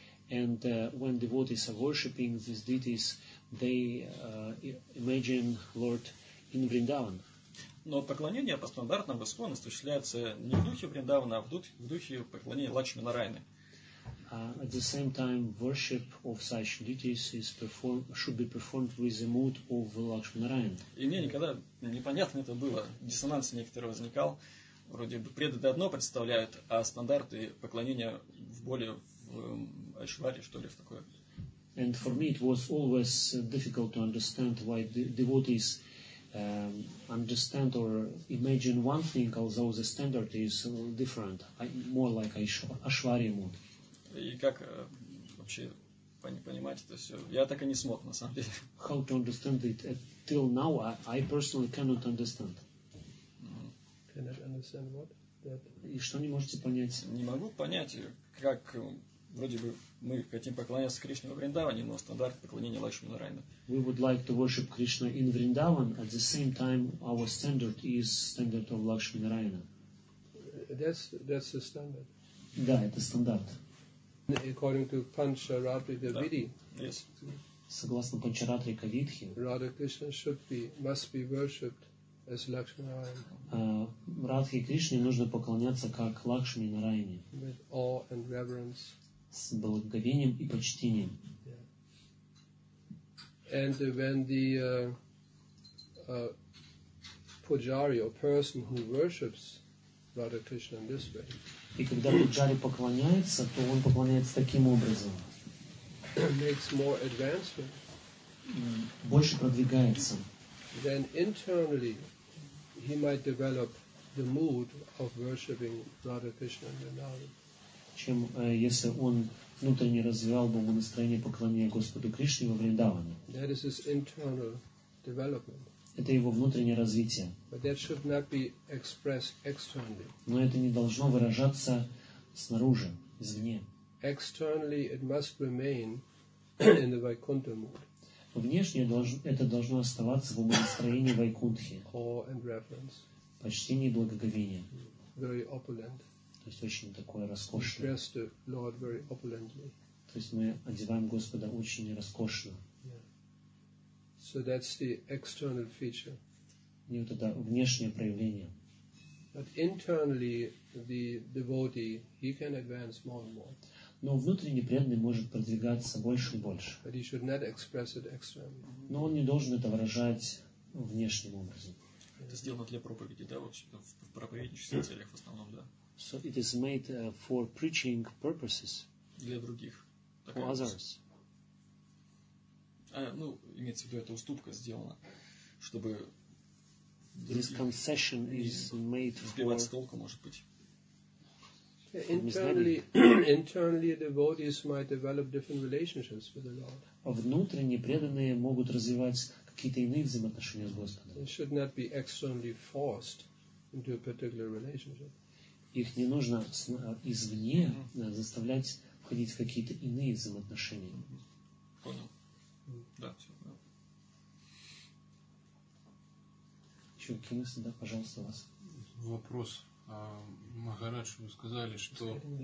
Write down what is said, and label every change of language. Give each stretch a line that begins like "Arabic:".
English: And when devotees are worshipping these deities, they imagine Lord in Vrindavan.
Russian: Но поклонение по стандартам в ISKCON осуществляется не в духе Вриндавана, а в духе поклонения Лакшми Нарайны.
English: At the same time, worship of such deities is performed, should be performed with the mood of Lakshmi Narayan.
Russian: И мне никогда непонятно это было. Диссонанс некоторый возникал. Вроде бы преданные одно представляют, а стандарты поклонения в более в Айшваре, что ли, в такое.
English: And for me it was always difficult to understand why the devotees understand or imagine one thing, although the standard is different, more like Айшвари mood.
Russian: И как вообще понимать это все? Я так и не смог, на самом деле.
English: How to understand it? Till now, I personally cannot understand. Cannot understand what? That...
Russian: И что не можете понять? Не могу понять, как вроде бы мы хотим поклоняться Кришне во Вриндаване, но стандарт поклонения Лакшми Нарайны.
English: We would like to worship Krishna in Vrindavan, at the same time our standard is standard of Lakshmi Narayana. That's the standard.
Russian: Да, это стандарт.
English: According to Pancharatri Vidhi,
Russian: согласно Панчаратри Кавидхи,
English: Radha Krishna should be must be worshipped as Lakshmi Narayana.
Russian: Радхе Кришне нужно поклоняться как Лакшми Нарайане.
English: With awe and reverence.
Russian: С благоговением и почтением.
English: And when the pujari or person who worships Radha Krishna in this way.
Russian: И когда пуджари поклоняется, то он поклоняется таким образом.
English: Makes more advancement.
Russian: Больше продвигается.
English: Then internally he might develop the mood of worshiping Radha Krishna and Vrindavan.
Russian: Чем если он внутренне развивал бы настроение поклонения Господу Кришне во Вриндаване.
English: That is his internal development.
Russian: Это его внутреннее развитие.
English: But that should not be expressed externally.
Russian: Но это не должно выражаться снаружи, извне.
English: Externally it must remain in the Vaikuntha mood.
Russian: Внешне это должно оставаться в умонастроении Вайкунтхи.
English: Awe and reverence.
Russian: Почтение и благоговение.
English: Very opulent.
Russian: То есть очень такое роскошное.
English: Dressed the Lord very opulently.
Russian: То есть мы одеваем Господа очень роскошно.
English: So that's the external feature.
Russian: И вот это внешнее проявление.
English: But internally the devotee he can advance more and more.
Russian: Но внутренний преданный может продвигаться больше и больше.
English: But he should not express it externally.
Russian: Но он не должен это выражать внешним образом. Это сделано для проповеди, да, вообще-то в проповеднических целях в основном, да.
English: So it is made for preaching purposes.
Russian: Для других.
English: For others.
Russian: ну, имеется в виду, эта уступка сделана, чтобы
English: this concession is made for
Russian: сбивать с толку, может быть.
English: Internally, devotees might develop different relationships with the Lord.
Russian: Внутренне преданные могут развивать какие-то иные взаимоотношения с Господом.
English: They should not be externally forced into a particular relationship.
Russian: Их не нужно извне заставлять входить в какие-то иные взаимоотношения. Понял. Да, все. Еще какие мысли, да, пожалуйста, у вас? Вопрос. Махарадж, вы сказали, что...